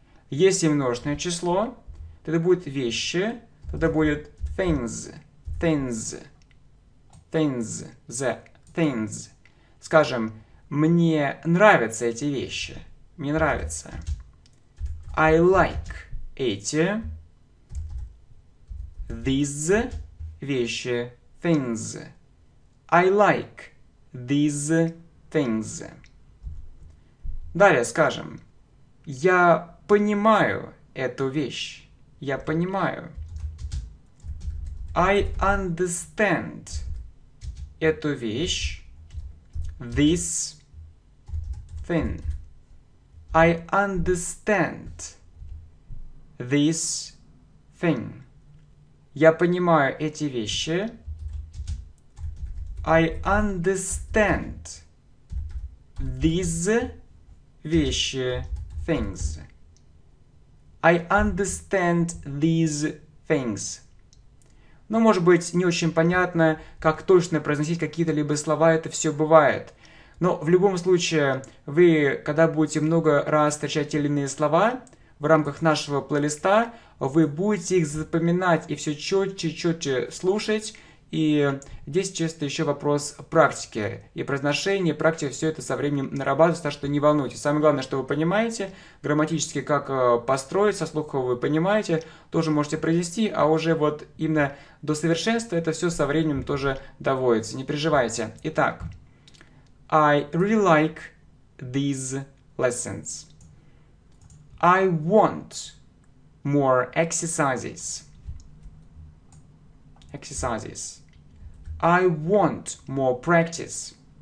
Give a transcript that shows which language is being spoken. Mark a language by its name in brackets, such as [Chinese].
[Russian] Если множественное число, то это будет вещи, то это будет [English] things, things, things, the things. [Russian] Скажем, мне нравятся эти вещи, мне нравятся. [English] I like [Russian] эти. [English] These [Russian] вещи, [English] things. I like these things. [Russian] Далее скажем. Я понимаю эту вещь. Я понимаю. [English] I understand [Russian] эту вещь. [English] This thing. I understand this thing. [Russian] Я понимаю эти вещи. [English] I understand these [Russian] вещи, [English] things. I understand these things. [Russian] Ну, может быть, не очень понятно, как точно произносить какие-то либо слова, это все бывает. Но в любом случае, вы, когда будете много раз встречать те или иные слова в рамках нашего плейлиста, вы будете их запоминать и все четче-четче слушать. И здесь чисто еще вопрос практики и произношения. Практика все это со временем нарабатывается, так что не волнуйтесь. Самое главное, что вы понимаете грамматически, как построить, со слухом вы понимаете, тоже можете произнести, а уже вот именно до совершенства это все со временем тоже доводится. Не переживайте. Итак, [English] I really like these lessons. I want more exercises. Exercises. I want more practice.